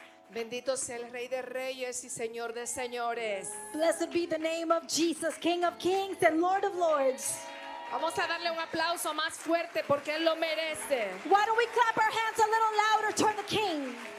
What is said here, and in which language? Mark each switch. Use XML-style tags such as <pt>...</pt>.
<es>Bendito sea el Rey de Reyes y Señor de Señores.</es> <en>Blessed be the name of Jesus, King of Kings and Lord of Lords.</en> <es>Vamos a darle un aplauso más fuerte porque él lo merece.</es> <en>Why don't we clap our hands a little louder toward the King?</en>